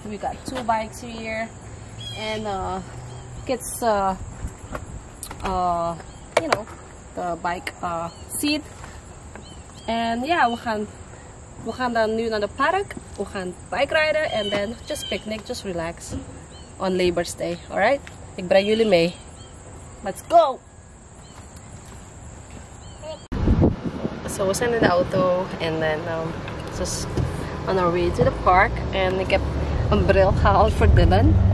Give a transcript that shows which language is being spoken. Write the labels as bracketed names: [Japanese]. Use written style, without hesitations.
[English] We got two bikes here and gets you know, the bike seat. [Dutch] And yeah, we gaan dan nu naar de park. We gaan bike rijden [English] and then just picnic, just relax on Labor's Day. All right? [Dutch] Ik breng jullie mee. [English] Let's go. So [Dutch] we zijn in de auto [English] and then just on our way to the park, and I got a bril haul for Dylan.